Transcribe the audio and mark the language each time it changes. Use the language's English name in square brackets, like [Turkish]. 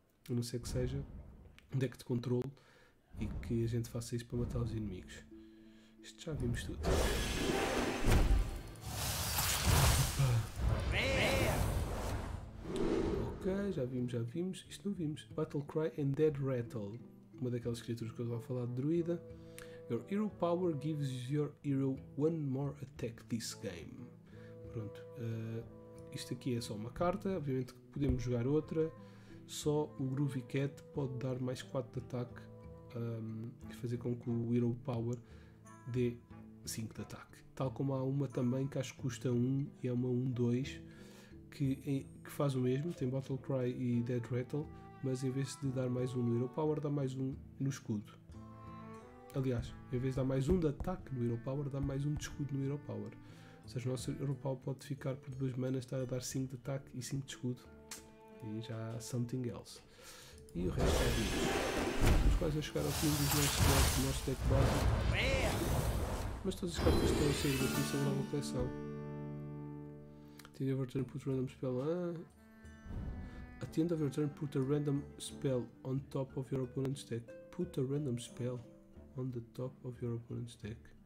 [Portuguese] A não ser que seja um deck de controle e que a gente faça isso para matar os inimigos. Isto já vimos tudo. Ok, já vimos. Isto não vimos. [English] Battle Cry and Dead Rattle. [Portuguese] Uma daquelas criaturas que eu estava a falar de druida. [English] Your hero power gives your hero one more attack this game. [Portuguese] Pronto. Isto aqui é só uma carta. Obviamente que podemos jogar outra. Só o Groovy Cat pode dar mais 4 de ataque. E fazer com que o hero power dê 5 de ataque. Tal como há uma também que acho que custa 1. E é uma 1-2. Que faz o mesmo. Tem Battle Cry e Dead Rattle. Mas em vez de dar mais 1 no Hero Power, dá mais 1 no escudo. Aliás, em vez de dar mais 1 de ataque no Hero Power, dá mais 1 de escudo no Hero Power. Ou seja, o nosso Hero Power pode ficar por 2 manas, estar a dar 5 de ataque e 5 de escudo. E já [English] something else. [Portuguese] E o resto é vivo. Estamos quase a chegar ao fim dos nossos deck base. Mas todas as cartas estão a sair daqui, são uma coleção. [English] Tinha Overturn put random spell. At the end of your turn, put a random spell on top of your opponent's deck. Put a random spell on the top of your opponent's deck.